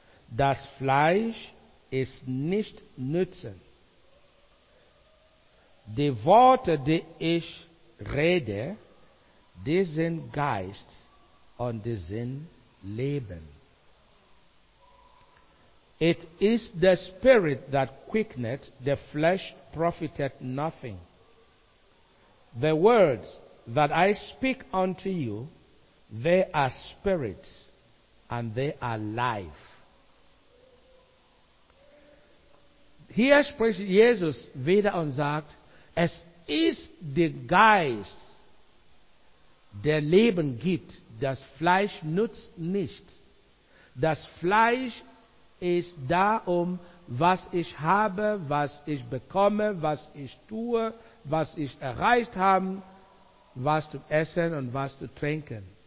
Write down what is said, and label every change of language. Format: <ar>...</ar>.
<de>Das Fleisch ist nicht nützen. Die Worte, die ich rede, die sind Geist und die sind Leben.</de> <en>It is the spirit that quickeneth, the flesh profiteth nothing. The words that I speak unto you, they are spirits and they are life.</en> <de>Hier spricht Jesus wieder und sagt, es ist der Geist, der Leben gibt, das Fleisch nutzt nicht. Das Fleisch ist darum, was ich habe, was ich bekomme, was ich tue, was ich erreicht habe, was zu essen und was zu trinken.</de>